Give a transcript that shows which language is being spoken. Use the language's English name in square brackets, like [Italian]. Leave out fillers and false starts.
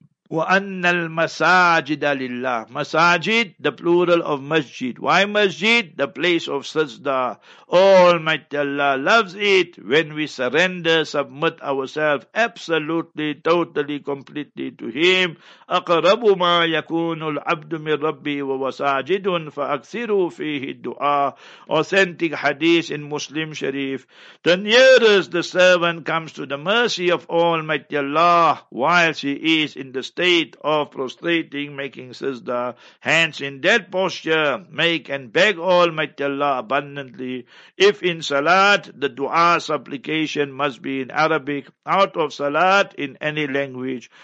[Arabic] وَأَنَّ الْمَسَاجِدَ لِلَّهِ [English] Masajid, the plural of masjid. Why masjid? The place of sajda. Almighty Allah loves it when we surrender, submit ourselves absolutely, totally, completely to Him. [Arabic] أَقْرَبُ مَا يَكُونُ الْعَبْدُ مِنْ رَبِّهِ وَوَسَاجِدٌ فَأَكْثِرُوا فِيهِ الدُّعَاءِ [English] Authentic hadith in Muslim Sharif. The nearest the servant comes to the mercy of Almighty Allah while she is in the state of prostrating, making sajda. Hence, in that posture, make and beg Almighty Allah abundantly. If in salat, the dua supplication must be in Arabic, out of salat, in any language.